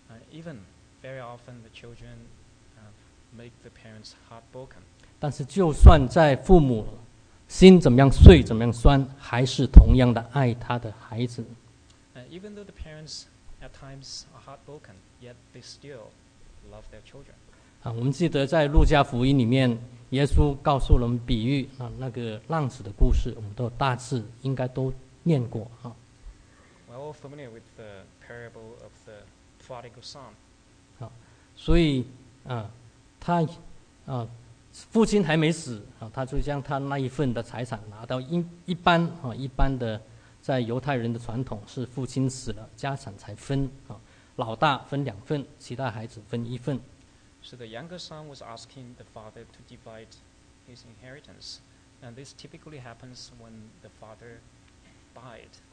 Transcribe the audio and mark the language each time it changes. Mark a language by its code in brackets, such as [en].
[en] Even very often the children make the parents heartbroken. [zh] 但是就算在父母 心怎么样碎怎么样酸还是同样的爱他的孩子 [en] Even though the parents at times are heartbroken yet they still love their children [zh] 我们记得在路加福音里面，耶稣告诉了我们比喻啊，那个浪子的故事，我们都大致应该都念过啊。 [en] We're all familiar with the parable of the prodigal son. [zh] 好，所以啊，他啊，父亲还没死啊，他就将他那一份的财产拿到一般啊，一般的在犹太人的传统是父亲死了，家产才分啊，老大分两份，其他孩子分一份。 [en] So the younger son was asking the father to divide his inheritance, and this typically happens when the father died.